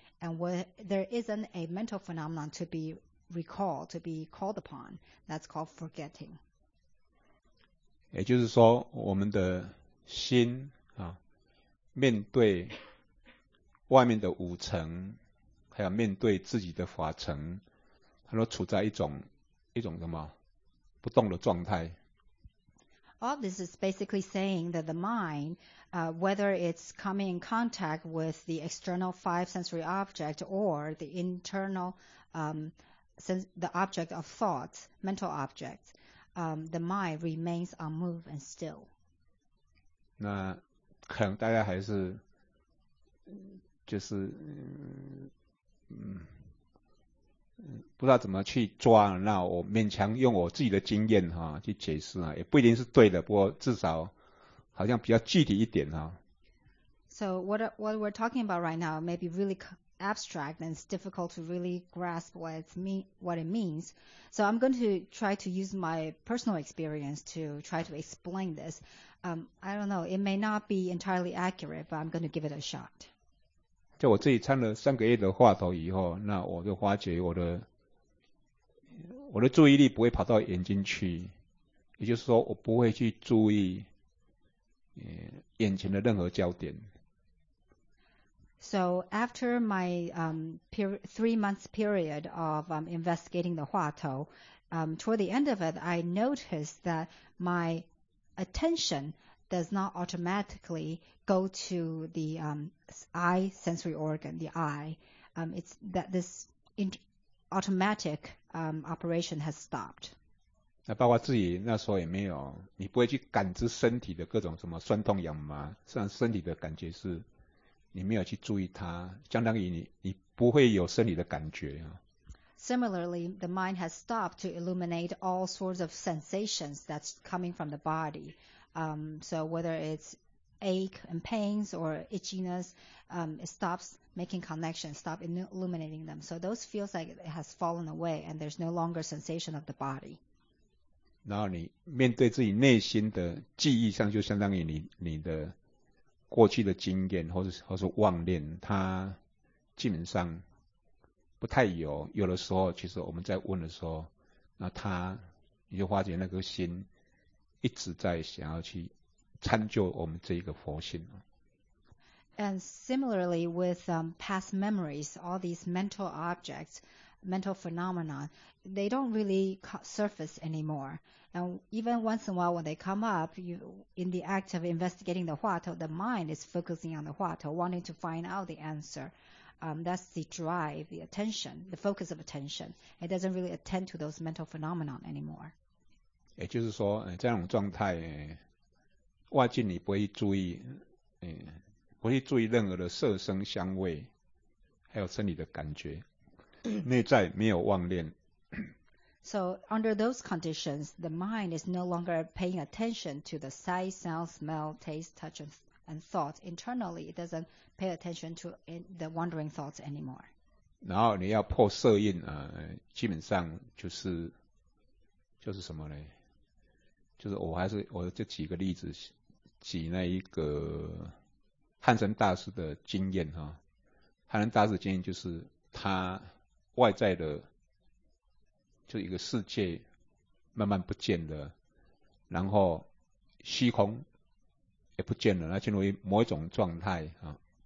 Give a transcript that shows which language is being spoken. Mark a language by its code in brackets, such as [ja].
[en] And when there isn't a mental phenomenon to be recalled, to be called upon, that's called forgetting. [zh] 也就是说我们的心啊，面对外面的五尘，还有面对自己的法尘，它都处在一种什么不动的状态。 [en] All this is basically saying that the mind, whether it's coming in contact with the external five sensory object or the internal the object of thought, mental object, the mind remains unmoved and still. [zh] 那可能大家还是就是不知道怎么去抓，那我勉强用我自己的经验哈去解释啊，也不一定是对的，不过至少好像比较具体一点哈。 [en] So what we're talking about right now may be really abstract and it's difficult to really grasp what it means. So I'm going to try to use my personal experience to try to explain this. I don't know, it may not be entirely accurate, but I'm going to give it a shot. [zh] 就我自己参了三个月的话头以后，那我就发觉我的注意力不会跑到眼睛去，也就是说我不会去注意眼前的任何焦点。 [en] So after my three-month period of investigating the huatou, toward the end of it, I noticed that my attention does not automatically go to the eye sensory organ, the eye. It's that this automatic operation has stopped. [zh] 那包括自己那时候也没有，你不会去感知身体的各种什么酸痛痒麻，虽然身体的感觉是你没有去注意它，相当于你不会有生理的感觉啊。 [en] Similarly, the mind has stopped to illuminate all sorts of sensations that's coming from the body. So whether it's ache and pains or itchiness, it stops making connections, stop illuminating them. So those feels like it has fallen away and there's no longer sensation of the body. [zh] 然后你面对自己内心的记忆上，就相当于你的过去的经验，或是妄念，它基本上不太有。有的时候，其实我们在问的时候，那他你就发觉那个心一直在想要去参究我们这一个佛性。 [en] And similarly with past memories, all these mental objects, mental phenomena, they don't really surface anymore. And even once in a while when they come up, you, in the act of investigating the huatou, the mind is focusing on the huatou, wanting to find out the answer. That's the drive, the attention, the focus of attention. It doesn't really attend to those mental phenomena anymore. [zh] 也就是说，这种状态，外境你不会注意，不会注意任何的色声香味，还有身体的感觉，内在没有妄念。 [en] So under those conditions, the mind is no longer paying attention to the sight, sound, smell, taste, touch, and thought. Internally, it doesn't pay attention to the wandering thoughts anymore. [zh] 然后你要破色印，基本上就是什么呢？就是我就举个例子，举那一个汉神大师的经验哈。汉神大师的经验就是他外在的就一个世界慢慢不见了，然后虚空也不见了，那进入某一种状态啊。